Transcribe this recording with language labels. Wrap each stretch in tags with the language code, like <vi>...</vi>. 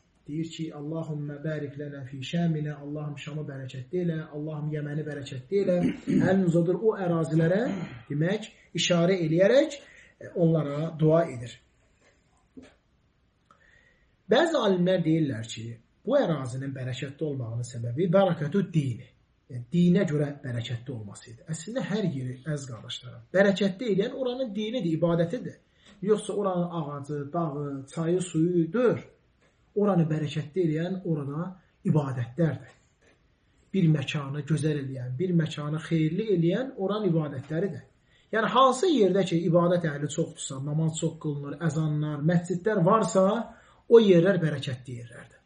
<az>Deyir ki,</az> <ar>Allahümmə bərik lənə fi Şəminə,</ar> <az>Allahım Şamı bərəkətli elə, Allahım Yəməni bərəkətli elə, əlin uzadır o ərazilərə, demək, işarə eləyərək onlara dua edir. Bəzi alimlər deyirlər ki, bu ərazinin bərəkətli olmağının səbəbi bərəkətü dini. Yəni, dinə görə bərəkətli olmasıydı. Əslində, hər yeri, əz qardaşlarım, bərəkətli eləyən oranın dinidir, ibadətidir. Yoxsa oranın ağacı, dağı, çayı, suyudur. Oranı bərəkətli eləyən orada ibadətlərdir. Bir məkanı gözəl eləyən, bir məkanı xeyirli eləyən oran ibadətləridir. Yəni, hansı yerdə ki, ibadət əhli çoxdursa, namaz çox qılınır, əzanlar, məscidlər varsa, o yerlər bərəkətli yerlərdir.</az>